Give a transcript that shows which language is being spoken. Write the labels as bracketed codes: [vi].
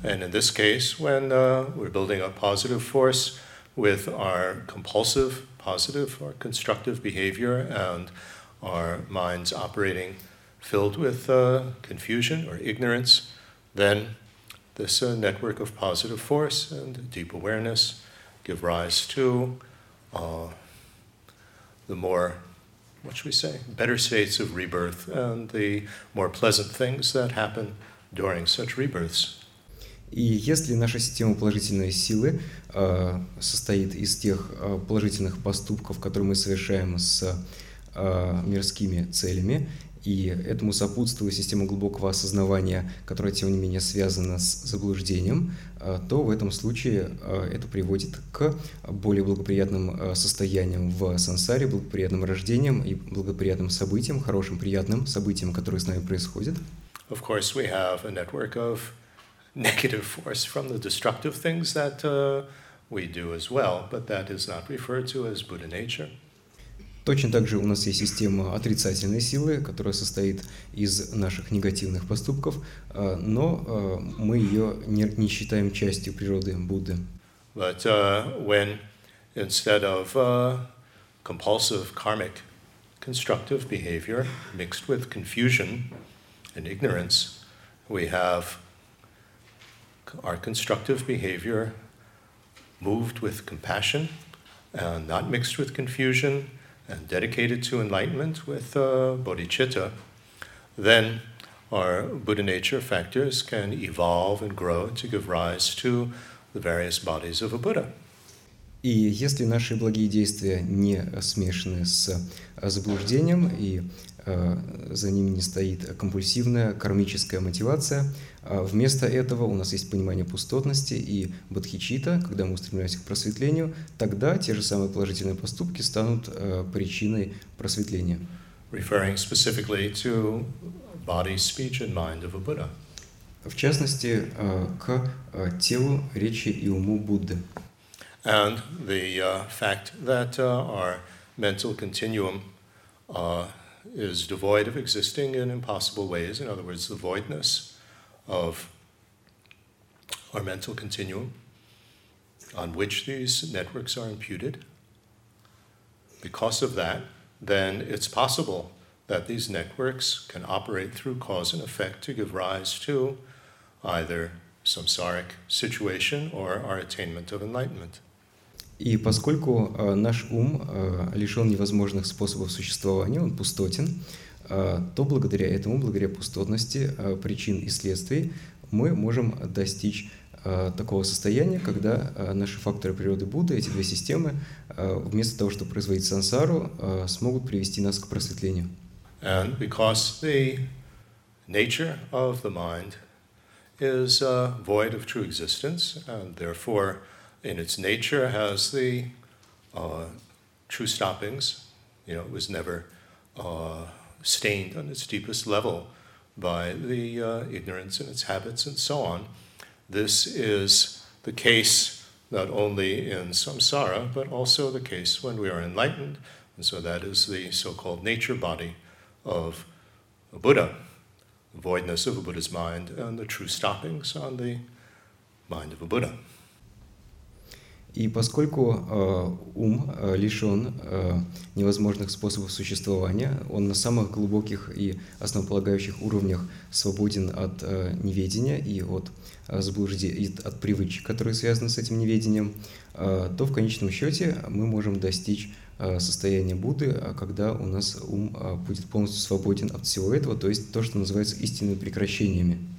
[en] And in this case, when we're building up positive force with our compulsive, positive or constructive behavior and our minds operating filled with confusion or ignorance, then this network of positive force and deep awareness give rise to the more, what should we say, better states of rebirth and the more pleasant things that happen during such rebirths. [ru] И если наша система положительной силы состоит из тех положительных поступков, которые мы совершаем с мирскими целями, и этому сопутствует система глубокого осознавания, которая, тем не менее, связана с заблуждением, то в этом случае это приводит к более благоприятным состояниям в сансаре, благоприятным рождениям и благоприятным событиям, хорошим, приятным событиям, которые с нами происходят. [en] Of course, we have a network of negative force from the destructive things that we do as well, but that is not referred to as Buddha nature. [ru] Точно так же у нас есть система отрицательной силы, которая состоит из наших негативных поступков, но мы ее не считаем частью природы Будды. [en] But when instead of compulsive karmic constructive behavior mixed with confusion and ignorance, we have our constructive behavior moved with compassion and not mixed with confusion and dedicated to enlightenment with bodhicitta, then our Buddha nature factors can evolve and grow to give rise to the various bodies of a Buddha. [ru] И если наши благие действия не смешаны с заблуждением и за ними не стоит компульсивная кармическая мотивация, вместо этого у нас есть понимание пустотности и бодхичитта, когда мы устремляемся к просветлению, тогда те же самые положительные поступки станут причиной просветления. [en] Referring specifically to body, speech and mind of a Buddha. [ru] В частности, к телу, речи и уму Будды. [en] And the fact that our mental continuum is devoid of existing in impossible ways, in other words, the voidness of our mental continuum on which these networks are imputed. Because of that, then it's possible that these networks can operate through cause and effect to give rise to either samsaric situation or our attainment of enlightenment. [ru] И поскольку наш ум лишён невозможных способов существования, он пустотен, то благодаря этому, благодаря пустотности причин и следствий, мы можем достичь такого состояния, когда наши факторы природы Будды, эти две системы, вместо того, чтобы производить сансару, смогут привести нас к просветлению. [en] And because the nature of the mind is void of true existence, and therefore, in its nature, has the true stoppings. You know, it was never stained on its deepest level by the ignorance and its habits and so on. This is the case not only in samsara, but also the case when we are enlightened. And so that is the so-called nature body of a Buddha, the voidness of a Buddha's mind and the true stoppings on the mind of a Buddha. [ru] И поскольку ум лишен невозможных способов существования, он на самых глубоких и основополагающих уровнях свободен от неведения и от заблуждений, от привычек, которые связаны с этим неведением, то в конечном счете мы можем достичь состояния Будды, когда у нас ум будет полностью свободен от всего этого, то есть то, что называется истинными прекращениями.